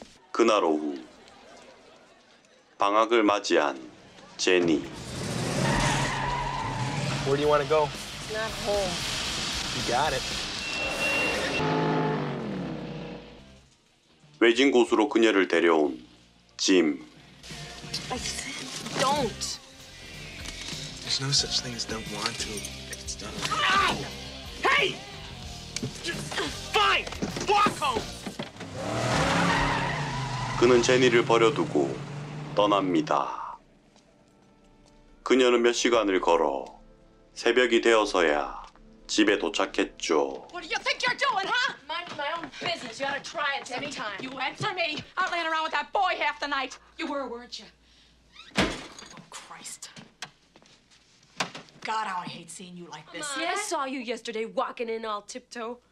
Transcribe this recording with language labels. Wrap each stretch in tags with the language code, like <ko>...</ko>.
<ko>그날 오후 방학을 맞이한 제니.</ko> <en>Where do you want to go? Not home. You got it.</en> <ko>외진 곳으로 그녀를 데려온 짐.</ko> <en>Don't. There's no such thing as don't want to. It's done. Ow! Hey! Fine! Walk home!</en> <ko>그는 제니를 버려두고 떠납니다. 그녀는 몇 시간을 걸어 새벽이 되어서야 집에 도착했죠.</ko> <en>What do you think you're doing, huh? Mind my own business. You ought to try it sometime. You answer me. I'm laying around with that boy half the night. You were, weren't you? Oh, Christ. God, how I hate seeing you like this. Yeah, I saw you yesterday walking in all tiptoe.</en>